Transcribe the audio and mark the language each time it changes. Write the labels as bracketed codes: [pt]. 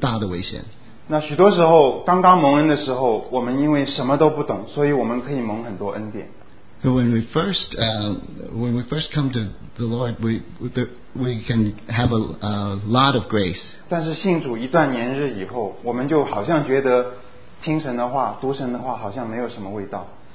[zh] 就是少的知识是没有安全的，大的危险，是大的危险。那许多时候，刚刚蒙恩的时候，我们因为什么都不懂，所以我们可以蒙很多恩典。 [en] So when we first come to the Lord, we can have a lot of grace. [zh] 但是信主一段年日以后，我们就好像觉得听神的话、读神的话好像没有什么味道。